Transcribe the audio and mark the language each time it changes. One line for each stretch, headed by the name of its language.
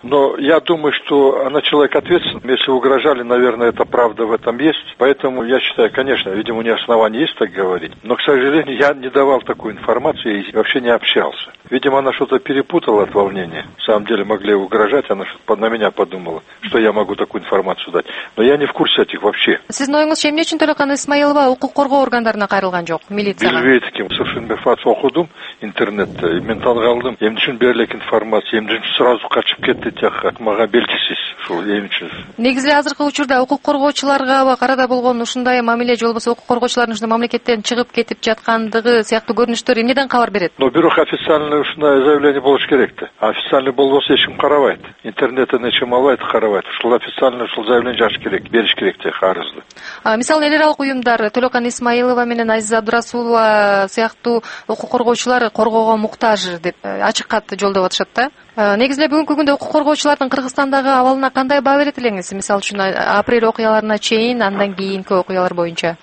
Russian: Но я думаю, что она человек ответственный. Если угрожали, наверное, это правда в этом есть. Поэтому я считаю, конечно, видимо, у нее основания есть так говорить. Но, к сожалению, я не давал такую информацию и вообще не общался. Видимо, она что-то перепутала от волнения. В самом деле могли угрожать, она что-то на меня подумала, что я могу такую информацию дать. Но я не в курсе этих вообще.
Kyrgyz: Сиздин оюңуз эмне үчүн Төлөкан Исмаилова укук коргоо органдарына кайрылган жок? Милиция. Билбейт ким. Сушинбефат окудум интернетте. Мен таң калдым. Эмне үчүн берле информация? Эмне үчүн сразу качып кетти тияка? Мага белгисиз. Ушул эмне үчүн? Негизи азыркы учурда укук коргоочуларга карада болгон ушундай мамиле же болбосо укук коргоочулардын ушундай мамлекеттен чыгып кетип жаткандыгы сыяктуу көрүнүштөр эмнеден кабар берет? Но бирок официально ушундай заявление болуш керек да. Официально болбосо эч ким карабайт. Интернеттен эч ким албайт, карабайт. Ушул официально ушул заявление жазыш керек, бериш керек тияк арызды. Мисалы эл аралык уюмдар Төлөкан Исмаилова менен Азиза Абдурасулова сыяктуу укук коргоочулар коргоого муктаж деп ачык кат жолдоп атышат да. Негизи эле бүгүнкү күндө укук коргоочулардын Кыргызстандагы абалына кандай баа берет элеңиз? Мисалы үчүн апрель окуяларына чейин, андан кийинки окуялар боюнча.